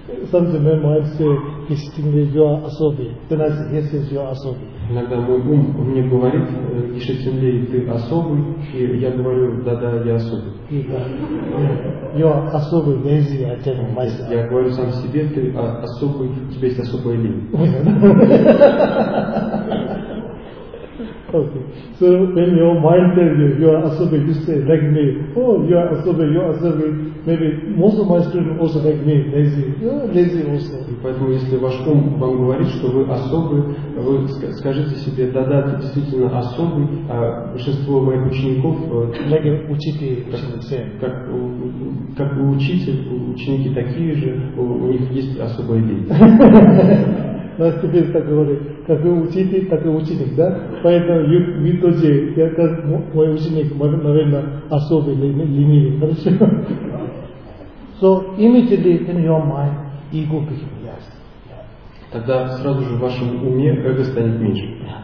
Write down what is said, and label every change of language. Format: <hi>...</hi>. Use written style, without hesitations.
<en>Sometimes my mind says, "He's thinking you are</en> <ru>особый."</ru> <en>Then I say, "Yes, yes, you are особый."</en> <ru>Иногда мой ум мне говорит, "Ишетинлей, ты особый," и я говорю, "Да-да, я особый."</ru> <en>You are</en> <ru>особый,</ru> <en>lazy, I tell him myself.</en> <ru>Я говорю сам себе, ты особый, у тебя есть особая лень.</ru> <en>Okay. So when your mind tells you you are asobi, you say like me. Oh, you are asobi, you are asobi. Maybe most of my students also like me, lazy. You are lazy also.</en> <ru>И поэтому, если ваш ум вам говорит, что вы особый, вы скажите себе, да-да, ты действительно особый, а большинство моих учеников</ru> <en>like</en> <ru>учитель, как у учитель, ученики такие же, у них есть особая лень. Нас теперь так говорит, как вы учитель, так и ученик, да? Поэтому вы тоже, я как мой ученик, наверное, особый ленивый, хорошо?</ru> <en>So immediately in your mind, ego became less.</en> <ru>Тогда сразу же в вашем уме эго станет меньше.</ru>